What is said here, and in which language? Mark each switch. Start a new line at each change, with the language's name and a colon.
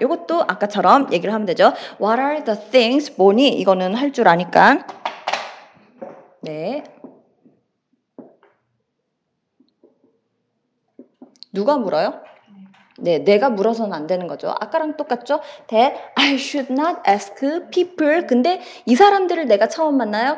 Korean: 이것도 아까처럼 얘기를 하면 되죠.
English: What are the things?
Korean: 뭐니? 이거는 할 줄 아니까. 네. 누가 물어요? 네, 내가 물어서는 안 되는 거죠. 아까랑 똑같죠?
English: That I should not ask people.
Korean: 근데 이 사람들을 내가 처음 만나요?